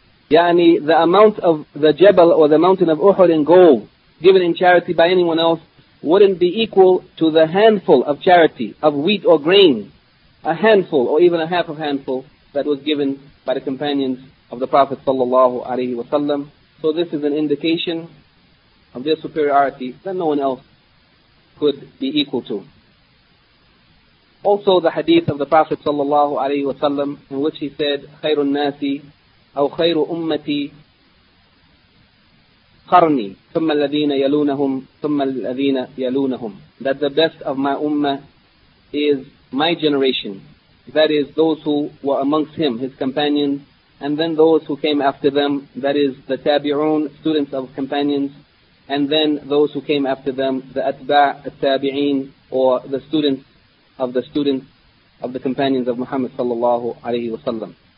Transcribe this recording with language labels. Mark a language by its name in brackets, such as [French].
[English] Yani, the amount of the Jebel or the mountain of Uhud in gold given in charity by anyone else wouldn't be equal to the handful of charity of wheat or grain, a handful or even a half of handful that was given by the companions of the Prophet sallallahu alaihi wasallam. So this is an indication of their superiority that no one else could be equal to. Also, the hadith of the Prophet sallallahu alaihi wasallam, in which he said, [Arabic] "Khairun nasi." أو خير أمتي قرني ثم الذين يلونهم ثم الذين يلونهم. [English] That the best of my ummah is my generation, that is, those who were amongst him, his companions, and then those who came after them, that is, the tabi'un, students of companions, and then those who came after them, the atba' al-tabi'een, or the students of the companions of Muhammad sallallahu alayhi wa sallam.